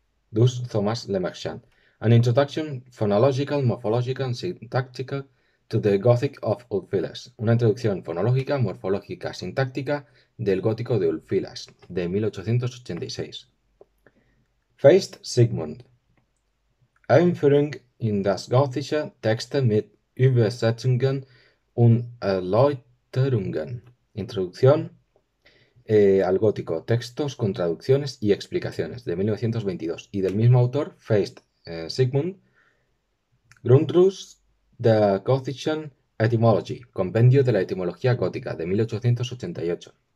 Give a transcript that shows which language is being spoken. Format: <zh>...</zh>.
<en>Dus Thomas Le Marchant. An Introduction Phonological, Morphological and Syntactical to the Gothic of Ulfilas.</en> <es>Una introducción fonológica, morfológica, sintáctica del gótico de Ulfilas, de 1886. Feist Sigmund.</es> <de>Einführung in das gothische Texte mit Übersetzungen und Erläuterungen.</de> <es>Introducción al gótico, textos con traducciones y explicaciones, de 1922, y del mismo autor, Feist Sigmund,</es> <de>Grundriss der gotischen Etymologie,</de> <es>compendio de la etimología gótica, de 1888.</es>